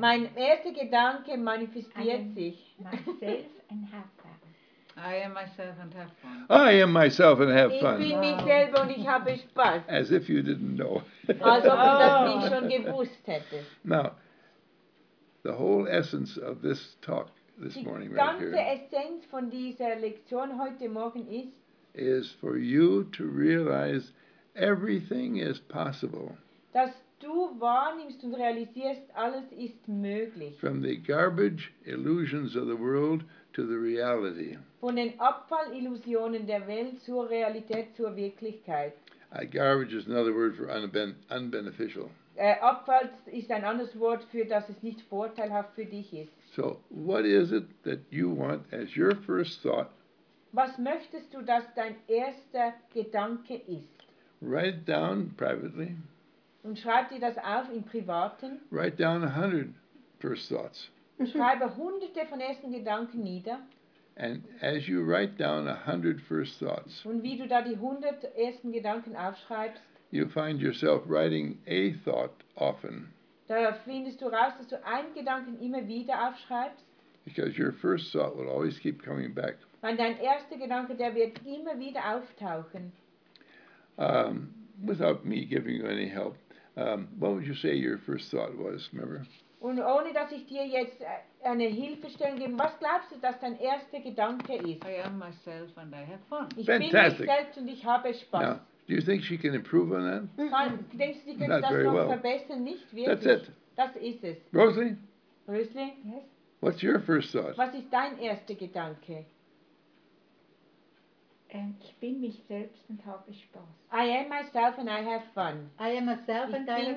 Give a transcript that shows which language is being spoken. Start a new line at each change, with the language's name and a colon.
German: Mein erster Gedanke manifestiert sich.
English: Myself and have fun. I am myself and have fun. I am myself and have fun. Wow. As if you didn't know.
German: Als ob ich das nicht schon gewusst hätte.
English: Now, the whole essence of this talk this morning right
German: here. Die ganze Essenz von dieser Lektion heute Morgen ist.
English: Is for you to realize everything is possible.
German: Dass du wahrnimmst und realisierst, alles ist möglich.
English: From the garbage illusions of the world to the reality.
German: Von den Abfallillusionen der Welt zur Realität, zur Wirklichkeit.
English: Garbage is another word for unbeneficial.
German: Abfall ist ein anderes Wort für, dass es nicht vorteilhaft für dich ist.
English: So, what is it that you want as your first thought?
German: Was möchtest du, dass dein erster Gedanke ist?
English: Write down privately.
German: Und schreib dir das auf im Privaten.
English: Write down 100 first thoughts.
German: Schreibe hunderte von ersten Gedanken nieder.
English: And as you write down 100 first thoughts,
German: und wie du da die 100 ersten Gedanken aufschreibst,
English: you find yourself writing a thought often.
German: Da findest du raus, dass du einen Gedanken immer wieder aufschreibst.
English: Because your first thought will always keep coming back.
German: Weil dein erster Gedanke, der wird immer wieder auftauchen.
English: Without me giving you any help, what would you say your first thought was, remember?
German: Und ohne dass ich dir jetzt eine Hilfestellung gebe, was glaubst du, dass dein erster Gedanke ist?
English: I am myself and I have fun.
German: Ich bin mich selbst und ich habe Spaß.
English: Now, Do you think she can improve on that? Not very well. That's it.
German: Das ist es.
English: Rosalie? Rosalie? Yes? What's your first thought?
German: Was ist dein erster Gedanke? Ich bin mich selbst und habe Spaß.
English: I am myself and I have fun. I am myself and I have fun.